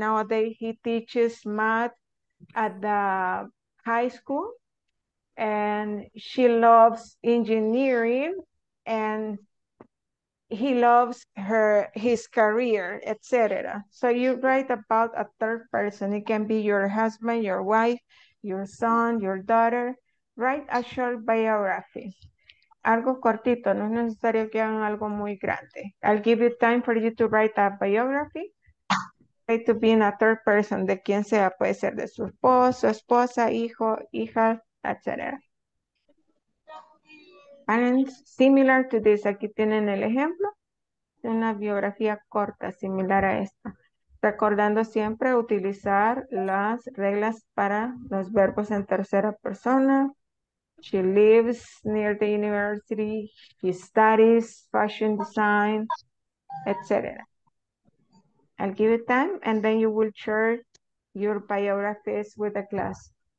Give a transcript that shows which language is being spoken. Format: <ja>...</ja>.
<en>He teaches math at the high school, and she loves engineering, and he loves his career, etc. So you write about a third person. It can be your husband, your wife, your son, your daughter. Write a short biography.</en> <es>Algo cortito, no es necesario que hagan algo muy grande.</es> <en>I'll give you time for you to write a biography. Try to be in a third person,</en> <es>de quien sea, puede ser de su esposo, esposa, hijo, hija, etc.</es> <en>And similar to this,</en> <es>aquí tienen el ejemplo, una biografía corta, similar a esta. Recordando siempre utilizar las reglas para los verbos en tercera persona.</es> <en>She lives near the university, she studies fashion design, etc. I'll give it time and then you will share your biographies with the class.</en>